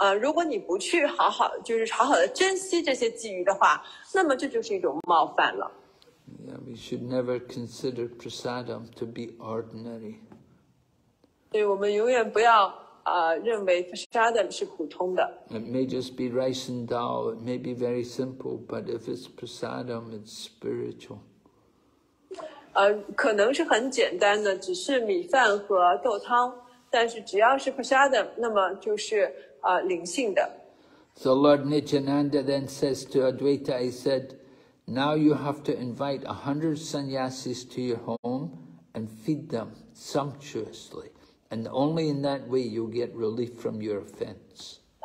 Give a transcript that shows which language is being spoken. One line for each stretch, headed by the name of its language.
Chinese: 如果你不去好好就是好好的珍惜这些鲫鱼的话，那么这就是一种冒犯了。
English: Yeah, we should never consider prasadam to be ordinary.
Chinese: 对，我们永远不要认为 prasadam 是普通的。
English: It may just be rice and dal. It may be very simple, but if it's prasadam, it's spiritual.
Chinese: 可能是很简单的，只是米饭和豆汤。但是只要是 prasadam， 那么就是。灵性的。
English: So Lord Nityananda then says to Advaita, he said, now you have to invite 100 sannyasis to your home and feed them sumptuously. And only in that way you'll get relief from your offense.